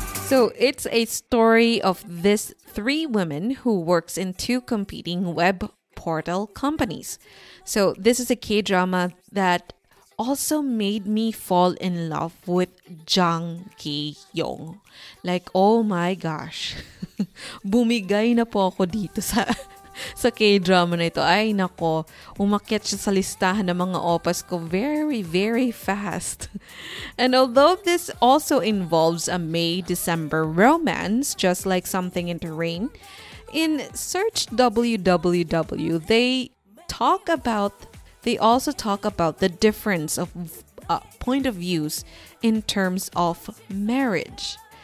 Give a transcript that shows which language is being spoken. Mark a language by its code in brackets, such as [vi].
[en] So it's a story of this 3 women who works in 2 competing web portal companies. So this is a K-drama that also made me fall in love with Jang Ki-yong. Like, oh my gosh. [tl] Bumigay na po ako dito sa K-drama na ito. Ay nako, umakyat siya sa listahan ng mga opas ko [en] very, very fast. And although this also involves a May-December romance, just like Something in the Rain, in Search WWW, they also talk about the difference of point of views in terms of marriage.